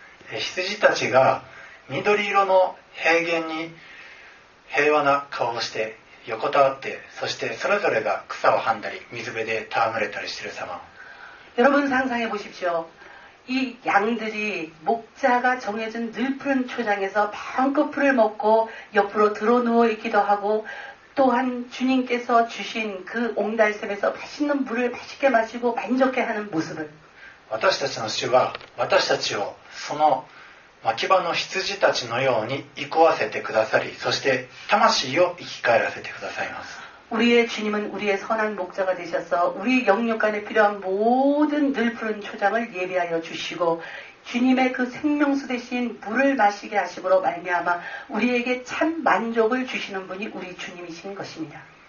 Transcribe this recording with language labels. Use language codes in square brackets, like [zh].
[ja] 羊たちが 緑色の 平原に 平和な 顔をして 横たわって そして それぞれが 草を [ko] 한다리 [ja] 水辺で 戯れたり してる 様. [ko] 여러분 상상해 보십시오. 이 양들이 목자가 정해준 늘푸른 초장에서 마음껏 풀을 먹고 옆으로 드러누워 있기도 하고 또한 주님께서 주신 그 옹달샘에서 맛있는 물을 맛있게 마시고 만족해하는 모습을 [ja] 私たちの主は私たちをその牧場の羊たちのように生かせてくださりそして魂を生き返らせてくださいます。 [ko] 우리의 주님은 우리의 선한 목자가 되셔서 우리 영육간에 필요한 모든 늘푸른 초장을 예비하여 주시고 주님의 그 생명수 대신 물을 마시게 하심으로 말미암아 우리에게 참 만족을 주시는 분이 우리 주님이신 것입니다.